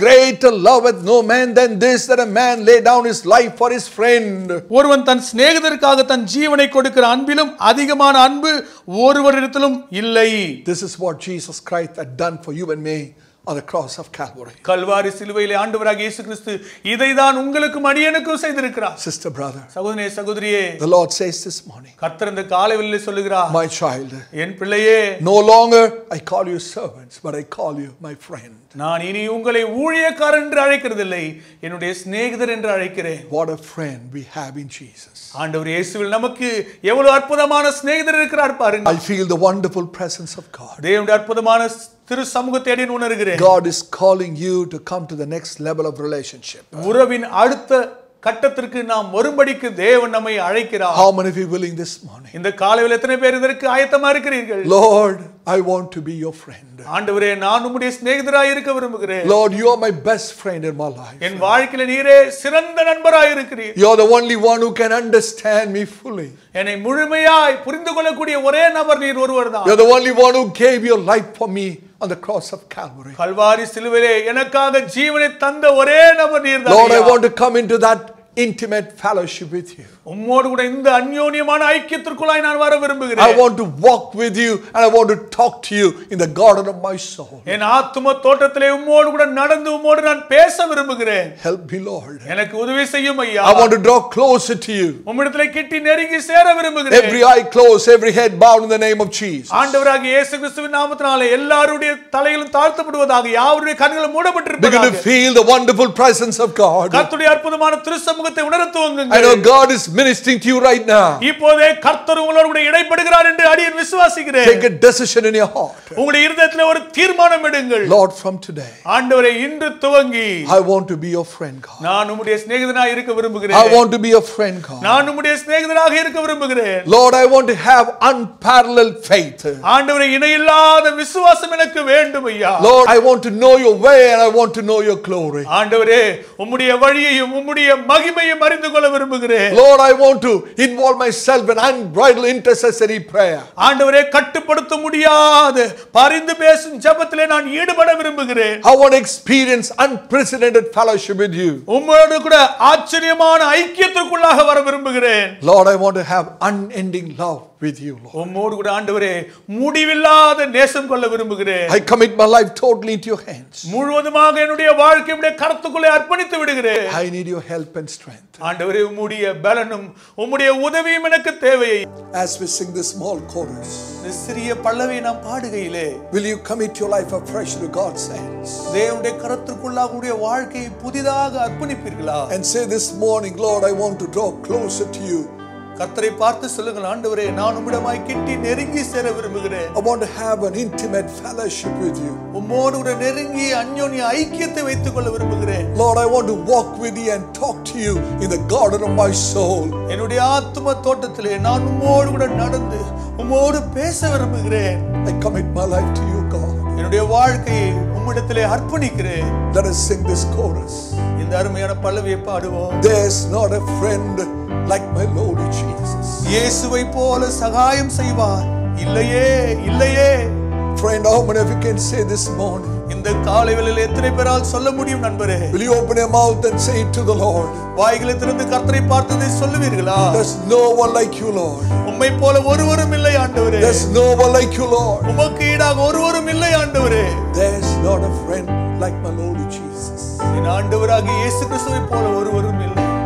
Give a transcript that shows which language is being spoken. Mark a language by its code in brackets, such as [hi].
[en] Greater love hath no man than this that a man lay down his life for his friend. [ta] ஒருவன் தன் சிநேகிதருக்காக தன் ஜீவனை கொடுக்கிற அன்பிலும் அதிகமான அன்பு ஒருவரிடத்திலும் இல்லை [en] This is what Jesus Christ had done for you and me on the cross of Calvary. [ta] Kalvari சிலுவையிலே ஆண்டவராகிய இயேசு கிறிஸ்து இதைதான் உங்களுக்கும் அடியனுக்கும் செய்திருக்கிறார். [en] Sister brother. [ta] சகோதரே சகோதரியே. [en] The Lord says this morning. [ta] கர்த்தர் இந்த காலையிலே சொல்கிறார். [en] My child. [ta] என் பிள்ளையே. [en] No longer I call you servants but I call you my friend. [ta] நான் இனி உங்களை ஊழியக்காரர் என்று அழைக்கிறதில்லை என்னுடைய சிநேகிதர் என்று அழைக்கிறேன். [en] What a friend we have in Jesus. [ta] ஆண்டவர் இயேசுவில் நமக்கு எவ்வளவு அற்புதமான சிநேகிதர் இருக்கிறார் பாருங்க. [en] I feel the wonderful presence of God. [ta] தேவனுடைய அற்புதமான திரு சமூகத்தை உணர்கிறேன் [en] God is calling you to come to the next level of relationship. [ta] உறவின் அடுத்த கட்டத்திற்கு நாம் வரும்படிக்கு தேவன் நம்மை அழைக்கிறார். [en] How many of you willing this morning? [ta] இந்த காலையில் எத்தனை பேர் இதற்கு ஆயத்தமா இருக்கிறீர்கள்? [en] Lord, I want to be your friend. [ta] ஆண்டவரே, நான் உம்முடைய சிநேகிதராய் இருக்க விரும்புகிறேன். [en] Lord, you are my best friend in my life. [ta] என் வாழ்க்கையில் நீரே சிறந்த நண்பராய் இருக்கிறீர். [en] You are the only one who can understand me fully. [ta] என்னை முழுமையாய் புரிந்துகொள்ளக்கூடிய ஒரே நபர் நீர் ஒருவர்தான். [en] You are the only one who gave your life for me. On the cross of Calvary. [ta] Kalvari சிலுவையிலே எனக்காக ஜீவனை தந்த ஒரே நபர் நீர்தான். [en] Lord, I want to come into that intimate fellowship with you. [ta] உம்மோடு கூட இந்த அன்யோன்யமான ஐக்கியத்திற்குள்ளாய் நான் வர விரும்புகிறேன். [en] I want to walk with you and I want to talk to you in the garden of my soul. [ta] என் ஆத்தும தோட்டத்திலே உம்மோடு கூட நடந்து உம்மோடு நான் பேச விரும்புகிறேன். [en] Help me Lord. [ta] எனக்கு உதவி செய்யும் ஐயா. [en] I want to draw closer to you. [ta] உம்மிடத்திலே கிட்டி நெருங்கி சேர விரும்புகிறேன். [en] Every eye closed, every head bowed in the name of Jesus. [ta] ஆண்டவராகிய இயேசு கிறிஸ்துவின் நாமத்தினாலே எல்லாருடைய தலைகளும் தாழ்த்தப்படுவதாக. யாவருடைய கண்களும் மூடப்பட்டிருப்பதாக. [en] Begin to feel the wonderful presence of God. [ta] கர்த்தருடைய அற்புதமான திருசம் முகத்தை உணர துவங்குங்கள் [en] I know God is ministering to you right now [ta] இப்போதே கர்த்தர் உங்களோடு இடைபடுகிறார் என்று அடியேன் விசுவாசிக்கிறேன் [en] Take a decision in your heart [ta] உங்களுடைய இருதயத்திலே ஒரு தீர்மானம் எடுங்கள் [en] Lord from today [ta] ஆண்டவரே இன்று துவங்கி [en] I want to be your friend God [ta] நான் உம்முடைய சிநேகிதனாக இருக்க விரும்புகிறேன் [en] I want to be your friend God [ta] நான் உம்முடைய சிநேகிதனாக இருக்க விரும்புகிறேன் [en] Lord I want to have unparalleled faith [ta] ஆண்டவரே இணையில்லாத விசுவாசம் எனக்கு வேண்டும் ஐயா [en] Lord I want to know your way and I want to know your glory [ta] ஆண்டவரே உம்முடைய வழியையும் உம்முடைய மகிமையையும் அறிந்து கொள்ள விரும்புகிறேன் [en] Lord I want to involve myself in unbridled intercessory prayer [ta] ஆண்டவரே கட்டுப்படுத்த முடியாத பரிந்து பேசும் ஜெபத்திலே நான் ஈடுபட விரும்புகிறேன் [en] I want to experience unprecedented fellowship with you [ta] உம்மோடு கூட ஆச்சரியமான ஐக்கியத்துக்குள்ளாக வர விரும்புகிறேன் [en] Lord I want to have unending love with you Lord [ta] உம்மோடு கூட ஆண்டவரே முடிவில்லாத நேசம் கொள்ள விரும்புகிறேன் [en] I commit my life totally into your hands [ta] முழுவதுமாக என்னுடைய வாழ்க்கையை உம்முடைய கரத்துக்குள்ளே அர்ப்பணித்து விடுகிறேன் [en] I need your help and strength [ta] ஆண்டவரே உம்முடைய பலனும் உம்முடைய உதவியும் எனக்கு தேவை [en] As we sing this small chorus [ta] இந்த சிறிய பல்லவி நாம் பாடுகையிலே [en] Will you commit your life afresh to God's hands [ta] தேவனுடைய கரத்துக்குள்ளாக உம்முடைய வாழ்க்கையை புதிதாக அர்ப்பணிப்பீர்களா [en] And say this morning Lord I want to draw closer to you [ta] கர்த்தரை பார்த்து சொல்லுங்கள் ஆண்டவரே நான் உம்மிடமாய் கிட்டி நெருங்கி சேர விரும்புகிறேன் [en] I want to have an intimate fellowship with you [ta] உம்மோடு ஒரு நெருங்கிய அன்யோன்ய ஐக்கியத்தை வைத்துக் கொள்ள விரும்புகிறேன் [en] Lord I want to walk with you and talk to you in the garden of my soul [ta] என்னுடைய ஆத்தும தோட்டத்திலே நான் உம்மோடு கூட நடந்து உம்மோடு பேச விரும்புகிறேன் [en] I commit my life to you God [ta] என்னுடைய வாழ்க்கையை உம்மிடத்திலே அர்ப்பணிக்கிறேன் [en] Let us sing this chorus [ta] இந்த அருமையான பல்லவியை பாடுவோம் [en] There's not a friend like my Lord [ta] இயேசுவை போல சகாயம் செய்வார் இல்லையே இல்லையே [en] friend how many of you can say this morning [ta] இந்த காலையில எத்தனை பேரால் சொல்ல முடியும் நண்பரே [en] will you open your mouth and say it to the lord [ta] வாய்களை திறந்து கர்த்தரை பார்த்ததை சொல்லுவீர்களா [en] there's no one like you lord [ta] உம்மை போல ஒருவரும் இல்லை ஆண்டவரே [en] there's no one like you lord [ta] உமக்கு ஈடாக ஒருவரும் இல்லை ஆண்டவரே [en] there's not a friend like my lord jesus [ta] என் ஆண்டவராகிய இயேசு கிறிஸ்துவை போல ஒருவரும் இல்லை